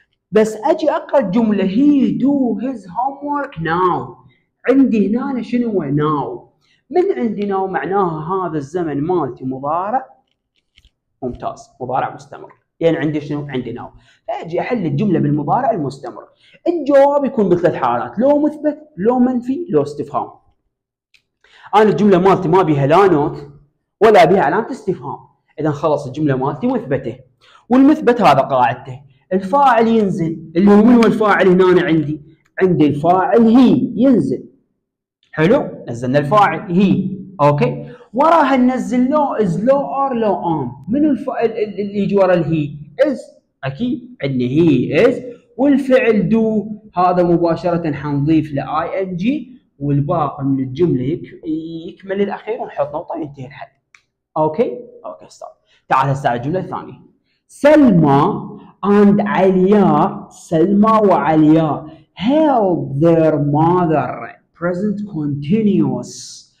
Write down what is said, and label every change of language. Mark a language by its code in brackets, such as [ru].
[ar] بس اجي اقرا الجمله [en] he do his homework now. [ar] عندي هنا أنا شنو هو now؟ من عندي now معناها هذا الزمن مالتي مضارع ممتاز، مضارع مستمر. يعني عندي شنو؟ عندي ناو. فاجي احل الجمله بالمضارع المستمر. الجواب يكون بثلاث حالات، لو مثبت، لو منفي، لو استفهام. انا الجمله مالتي ما بيها لا نوت ولا بيها علامه استفهام. اذا خلص الجمله مالتي مثبته. والمثبت هذا قاعدته. الفاعل ينزل، اللي هو من هو الفاعل هنا أنا عندي؟ عندي الفاعل هي ينزل. حلو؟ نزلنا الفاعل هي. اوكي؟ وراها ننزل لو از لو ار لو ام. من الفعل اللي يجي ورا الهي؟ از. اكيد عندي هي از، والفعل دو هذا مباشره حنضيف لاي ان جي، والباقي من الجمله يكمل الاخير ونحط نقطه ينتهي الحل. اوكي اوكي استاذ. تعال هسه على الجمله الثانيه. [en] Salma and Alia, [ar] سلمى وعلياء [en] Help their mother present continuous.